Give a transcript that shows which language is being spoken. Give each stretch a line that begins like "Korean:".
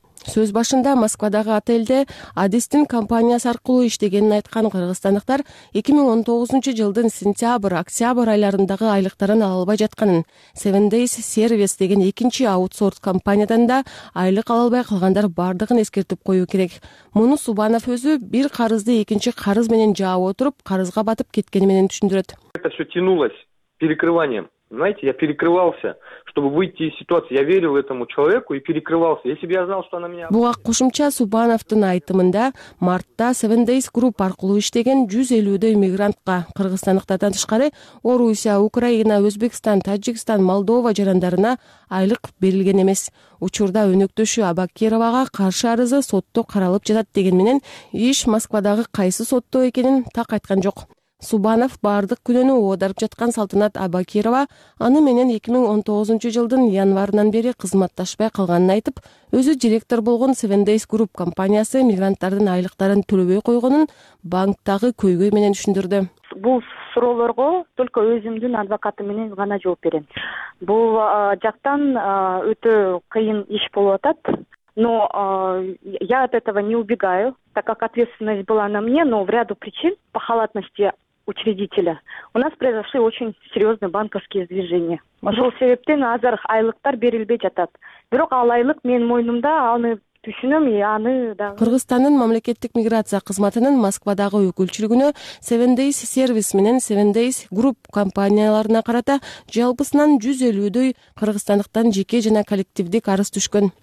Kyrgyz: Сөз башында Москвадагы отелде Адистин компаниясы аркылуу иштегенин айткан кыргызстандыктар 2019 жылдын сентябрь-октябрь айларындагы айлыктарын ала албай жатканын, Seven Days Service деген экинчи аутсорс компаниядан да айлык ала албай калгандар бардыгын эскертип коюу керек. Муну Субанов өзү бир карызды экинчи карыз менен жаап отуруп, карызга батып кеткени менен түшүндүрөт.
Russian: Это всё тянулось перекрыванием. Знаете, я перекрывался, чтобы выйти из ситуации. Я верил этому человеку и перекрывался. Если бы я знал, что она меня...
Kyrgyz: Буга кошумча Субановтун айтымында мартта Seven Days Group аркылуу иштеген 150-дөй мигрантка кыргызстандыктардан тышкары Орусия, Украина, Өзбекстан, Таджикстан, Молдова жарандарына айлык берилген эмес. Учурда өнөктөшү Абакировага каршы арызы сотто каралып жатат деген менен иш Москвадагы кайсы сотто экенин так айткан жок. Субанов бардык күнөнү оодарып жаткан Салтанат Абакирова аны менен 2019 жылдын январынан бери кызматташпай калганын айтып, өзү директор болгон Seven Days Group компаниясы мигранттардын айлыктарын төлөбөй койгонун банктагы көйгөй менен түшүндүрдү. Бул суроолорго только өзүмдүн адвокаты менен гана жооп берем. Бул жактан өтө кыйын иш болуп атат.
Russian: Но я от этого не убегаю, так как ответственность была на мне, но в ряду причин по халатности учредителя у нас произошли очень серьезные банковские сдвижения.
Kyrgyz: Ошол себептен азыр айлыктар берилбей жатат. Бирок ал айлык менин мойнумда, аны түшүнөм и аны да. Кыргызстандын мамлекеттик миграция кызматынын Москвадагы өкүлчүлүгүнө Seven Days Service менен Seven Days Group компанияларына карата жалпысынан 150-дөй кыргызстандыктан жеке жана коллективдик арыз түшкөн.